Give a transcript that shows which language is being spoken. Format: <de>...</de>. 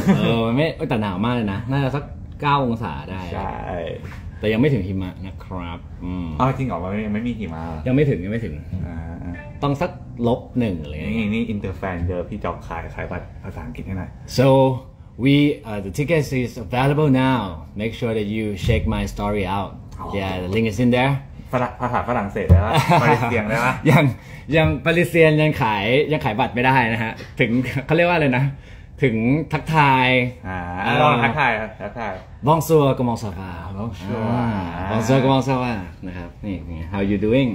<th>เออมันไม่แต่หนาวมากเลยนะน่าจะสัก9องศาได้ ใช่ แต่ยังไม่ถึงหิมะนะครับ อ๋อจริงเหรอไม่มีหิมะ ยังไม่ถึงต้องสักลบหนึ่งเลย นี่อินเตอร์แฟนเจอพี่จอบขายบัตรภาษาอังกฤษให้หน่อย</th> <en>soThe tickets is available now. Make sure that you check my story out. Yeah, the link is in there.</en> <th>ภาษาฝรั่งเศสได้ไหมปารีสเซียนได้ไหม ยังปารีสเซียนยังขายบัตรไม่ได้นะฮะถึงเขาเรียกว่าอะไรนะถึงทักทาย ลองทักทาย</th> <fr>Bonjour, comment ça va? Bonjour, comment ça va?</fr> <th>นะครับนี่</th> <en>How you doing?</en>